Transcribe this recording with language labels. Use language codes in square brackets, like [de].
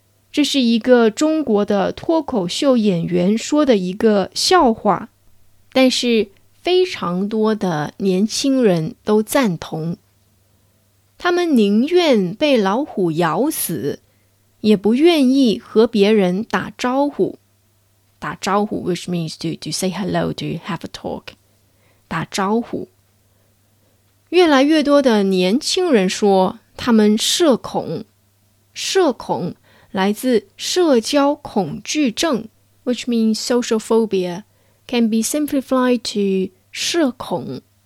[zh] 这是一个中国的脱口秀演员说的一个笑话，但是非常多的年轻人都赞同。他们宁愿被老虎咬死，也不愿意和别人打招呼。 [en] 打招呼 which means to say hello, to have a talk. [zh] 打招呼。越来越多的年轻人说他们社恐。社恐来自社交恐惧症 [en] which means social phobia can be simplified to [zh] 社恐。